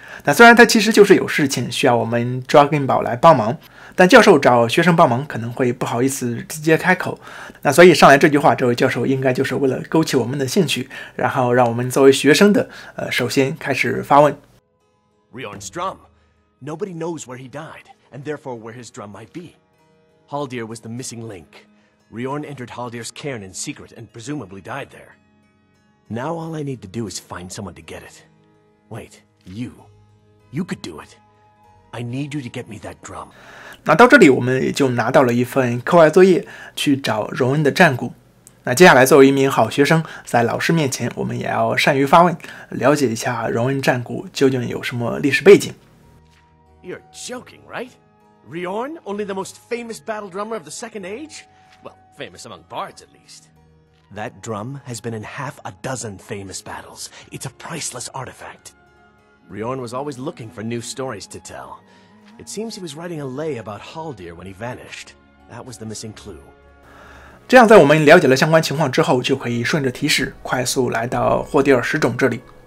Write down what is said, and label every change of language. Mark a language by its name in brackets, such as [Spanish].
[Chinese] 那虽然他其实就是有事情需要我们 Dragon Ball 来帮忙，但教授找学生帮忙可能会不好意思直接开口。那所以上来这句话，这位教授应该就是为了勾起我们的兴趣，然后让我们作为学生的，首先开始发问。 [English] Riorn Strum. Nobody knows where he died, and therefore where his drum might be. Haldir was the missing link. Riorn entered Haldir's cairn in secret and presumably died there. Now all I need to do is find someone to get it. Wait, you. You could do it. I need you to get me that drum. [Chinese] 那到这里我们也就拿到了一份课外作业，去找荣恩的战鼓。那接下来作为一名好学生，在老师面前我们也要善于发问，了解一下荣恩战鼓究竟有什么历史背景。 [English] You're joking, right? Riorn, only the most famous battle drummer of the Second Age? Famous among bards, at least. That drum has been in half a dozen famous battles. It's a priceless artifact. Riorn was always looking for new stories to tell. It seems he was writing a lay about Haldir when he vanished. That was the missing clue. [Chinese] 这样，在我们了解了相关情况之后，就可以顺着提示快速来到霍迪尔石冢这里。